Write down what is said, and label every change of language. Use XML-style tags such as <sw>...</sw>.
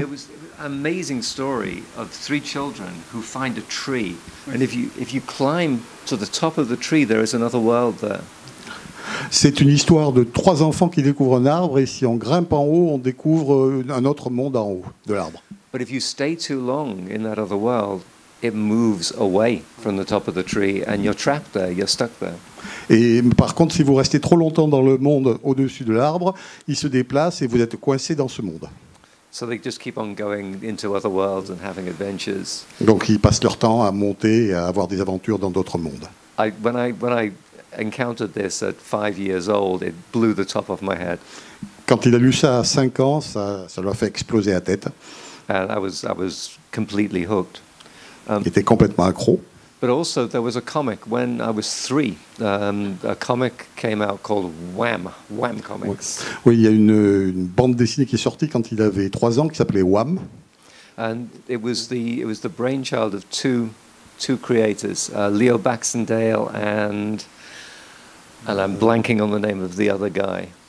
<en>It was an amazing story of three children who find a tree. And if you climb to the top of the tree, there is another world there.</en> <fr>C'est une histoire de trois enfants qui découvrent un arbre et si on grimpe en haut, on découvre un autre monde en haut de l'arbre.</fr> <en>But if you stay too long in that other world, it moves away from the top of the tree and you're trapped there, you're stuck there.</en> <fr>Et par contre, si vous restez trop longtemps dans le monde au-dessus de l'arbre, il se déplace et vous êtes coincé dans ce monde.</fr> <en>So they just keep on going into other worlds and having adventures.</en> <fr>Donc ils passent leur temps à monter et à avoir des aventures dans d'autres mondes.</fr> <en>When I encountered this at 5 years old, it blew the top of my head.</en> <fr>Quand il a lu ça à 5 ans, ça l'a fait exploser la tête.</fr> <en>And I was completely hooked.</en> <fr>Il était complètement accro.</fr> <en>But also there was a comic when I was 3. A comic came out called Wham comics.</en> <fr>Oui, il y a une bande dessinée qui est sortie quand il avait 3 ans qui s'appelait Wham.</fr> <en>And it was the brainchild of two creators, Leo Baxendale and I'm blanking on the name of the other guy.</en>